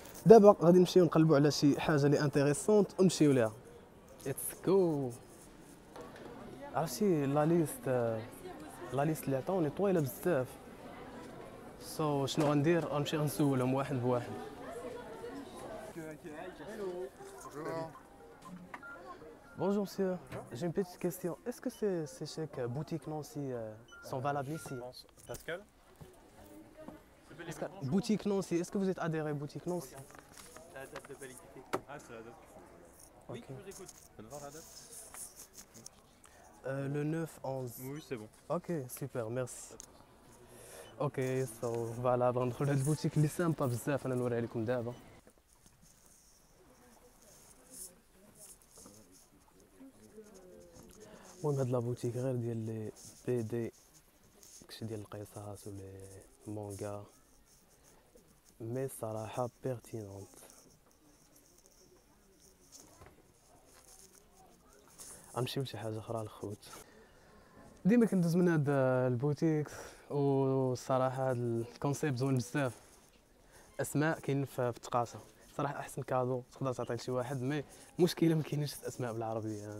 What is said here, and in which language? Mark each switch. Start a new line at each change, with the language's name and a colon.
Arabic: دابا غادي نمشيو نقلبو على شي حاجه لي انتريسونت ونمشيو ليها.
English: Let's go.
Arabic: عرفتي لا ليست اللي عطوني طويله بزاف، سو شنو غندير؟ غنمشي نسولهم واحد بواحد.
French: Bonjour monsieur, j'ai une petite question. Est-ce que ces chèques boutique Nancy sont valables ici? Pascal? Pascal, boutique Nancy, est-ce que vous êtes adhéré à boutique Nancy? La date de validité. Ah, c'est la date. Oui, okay. Je vous écoute. Bonne voir la date. Le 9-11. Oui, c'est bon. Ok, super, merci. Ok, so, voilà, on trouve cette boutique qui est sympa, vous savez, on va aller comme d'hab.
Arabic: المهم هاد لابوتيك غير ديال لي بي دي، داكشي ديال القصص ولي مانغا،
French: mais صراحة pertinente.
Arabic: غنمشي لشي حاجة أخرى الخوت. ديما كندوز من هاد البوتيك والصراحة هاد الكونسيبت زوين بزاف. أسماء كاين في التقاصة صراحة أحسن كادو تقدر تعطي لشي واحد، مي مشكلة مكاينينش الأسماء بالعربية.